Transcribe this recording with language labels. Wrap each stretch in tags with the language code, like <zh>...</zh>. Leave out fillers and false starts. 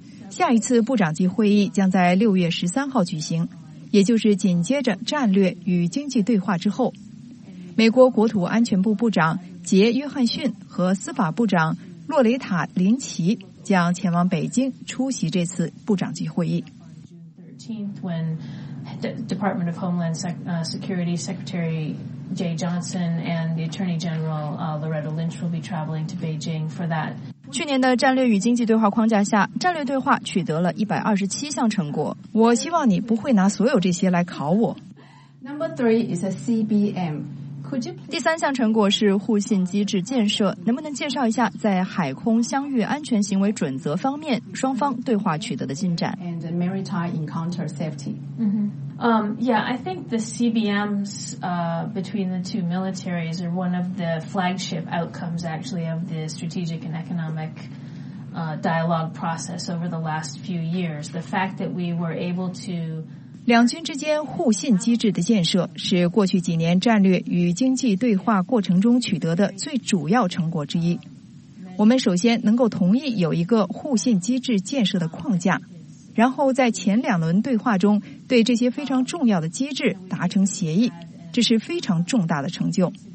<zh>下一次部长级会议将在6月13号举行，也就是紧接着战略与经济对话之后。美国国土安全部部长杰·约翰逊和司法部长洛雷塔·林奇将前往北京出席这次部长级会议。</zh> <en>When the Department of Homeland Security Secretary Jay Johnson and the Attorney General Loretta Lynch will be traveling to Beijing for that.</en> <zh>去年的战略与经济对话框架下，战略对话取得了127项成果。我希望你不会拿所有这些来考我。</zh> <en>Number three is a CBM. Could you</en> <zh>第三项成果是互信机制建设，能不能介绍一下在海空相遇安全行为准则方面双方对话取得的进展</zh> <en>？And maritime encounter safety.、 Mm-hmm. I think the CBMs, between the two militaries are one of the flagship outcomes actually of the strategic and economic, dialogue process over the last few years. The fact that we were able to</en> <zh>两军之间互信机制的建设是过去几年战略与经济对话过程中取得的最主要成果之一。我们首先能够同意有一个互信机制建设的框架。然后在前两轮对话中对这些非常重要的机制达成协议，这是非常重大的成就。</zh>